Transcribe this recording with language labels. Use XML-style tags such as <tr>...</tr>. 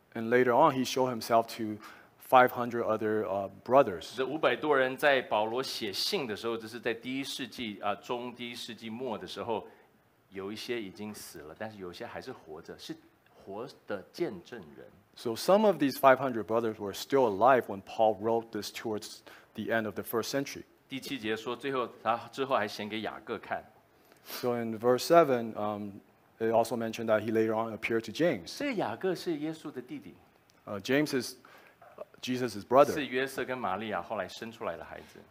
<en>And later on, he showed himself to 500 other brothers.</en> <zh>这500多人在保罗写信的时候，这是在第一世纪啊，中第一世纪末的时候，有一些已经死了，但是有些还是活着，是活的见证人。</zh> <en>So some of these 500 brothers were still alive when Paul wrote this towards the end of the first century.</en> <zh>第七节说，最后他之后还写给雅各看。</zh> <en>So in verse 7, it also mentioned that he later on appeared to James.</en> <zh>这雅各是耶稣的弟弟。</zh> <en>James is Jesus' brother.</en> <zh>是约瑟跟玛利亚后来生出来的孩子。</zh>